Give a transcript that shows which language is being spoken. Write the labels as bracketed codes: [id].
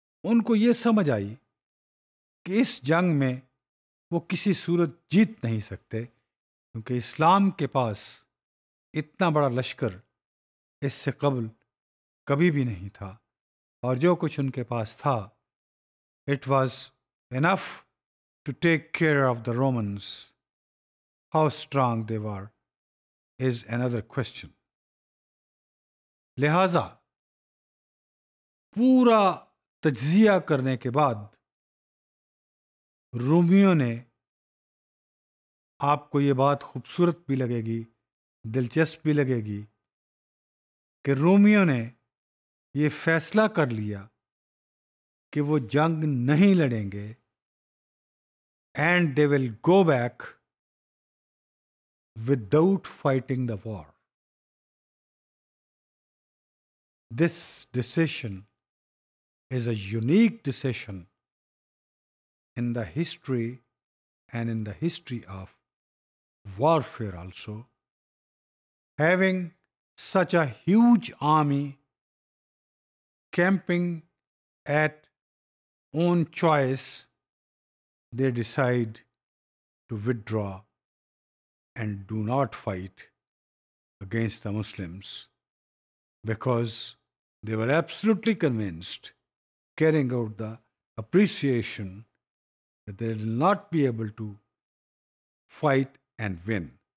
[ur] ان کو یہ سمجھ آئی کہ اس جنگ میں وہ کسی صورت جیت نہیں سکتے کیونکہ اسلام کے پاس اتنا بڑا لشکر اس سے قبل کبھی بھی نہیں تھا اور جو کچھ ان کے پاس تھا [en] It was enough to take care of the Romans. How strong they were is under question. [ur] لہذا پورا تجزیہ کرنے کے بعد رومیوں نے, آپ کو یہ بات خوبصورت بھی لگے گی دلچسپ بھی لگے گی, کہ رومیوں نے یہ فیصلہ کر لیا کہ وہ جنگ نہیں لڑیں گے [en] And they will go back without fighting the war. This decision is a unique decision in the history and in the history of warfare also. Having such a huge army camping at own choice, they decide to withdraw and do not fight against the Muslims because they were absolutely convinced, carrying out the appreciation, that they will not be able to fight and win.